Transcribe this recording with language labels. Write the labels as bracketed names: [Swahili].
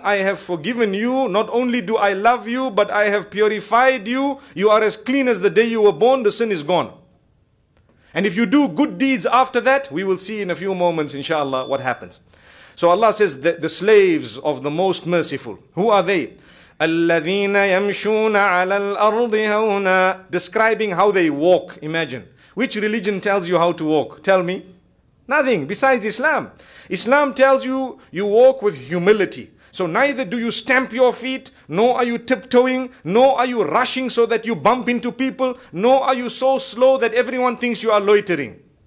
[English] I have forgiven you. Not only do I love you, but I have purified you. You are as clean as the day you were born. The sin is gone. And if you do good deeds after that, we will see in a few moments, inshallah, what happens. So Allah says, the slaves of the Most Merciful. Who are they? [Arabic] الَّذِينَ يَمْشُونَ عَلَى الْأَرْضِ هَوْنَا [English] Describing how they walk. Imagine. Which religion tells you how to walk? Tell me. Nothing besides Islam. Islam tells you, you walk with humility. So neither do you stamp your feet, nor are you tiptoeing, nor are you rushing so that you bump into people, nor are you so slow that everyone thinks you are loitering.